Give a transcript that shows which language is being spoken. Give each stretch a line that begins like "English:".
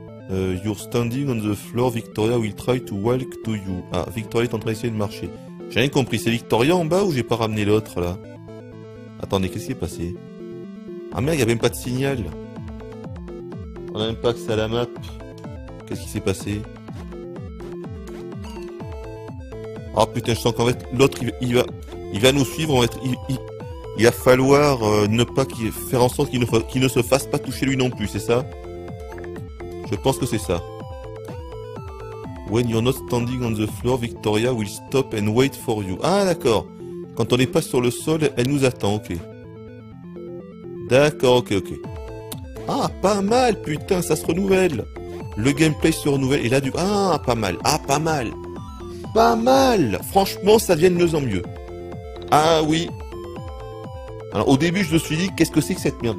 English: You're standing on the floor, Victoria will try to walk to you.
French: Ah, Victoria est en train d'essayer de marcher. J'ai rien compris, c'est Victoria en bas ou j'ai pas ramené l'autre là? Attendez, qu'est-ce qui est passé? Ah merde, y'a même pas de signal. On a même pas accès à la map. Qu'est-ce qui s'est passé? Ah putain, je sens qu'en fait, l'autre il va nous suivre, il va falloir ne pas faire en sorte qu'il ne se fasse pas toucher lui non plus, c'est ça? Je pense que c'est ça.
English: When you're not standing on the floor, Victoria will stop and wait for you.
French: Ah, d'accord. Quand on n'est pas sur le sol, elle nous attend, ok. D'accord, ok, ok. Ah, pas mal, putain, ça se renouvelle. Le gameplay se renouvelle. Et là, pas mal. Pas mal. Franchement, ça devient de mieux en mieux. Ah, oui. Alors, au début, je me suis dit, qu'est-ce que c'est que cette merde?